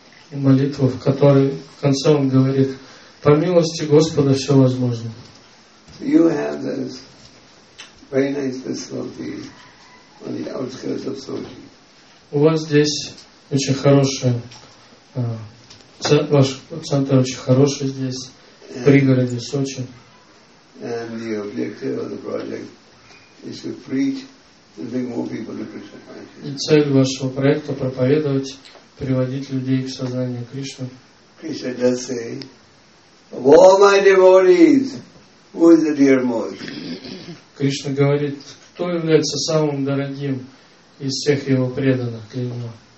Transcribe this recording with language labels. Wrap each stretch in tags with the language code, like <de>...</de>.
<ru>И молитву, в которой в конце он говорит: по милости Господа все возможно.</ru> <en>You have this very nice facility on the outskirts of Sochi.</en> <ru>У вас здесь очень хорошее, ваш центр очень хороший здесь, в пригороде Сочи.</ru> <en>And the objective of the project is to preach and bring more people to Krishna consciousness.</en> <ru>И цель вашего проекта — проповедовать, приводить людей к сознанию Кришны.</ru> <en>Krishna does say, of all my devotees, who is the dear most?</en> <ru>Кришна говорит, кто является самым дорогим из всех его преданных, клянусь.</ru>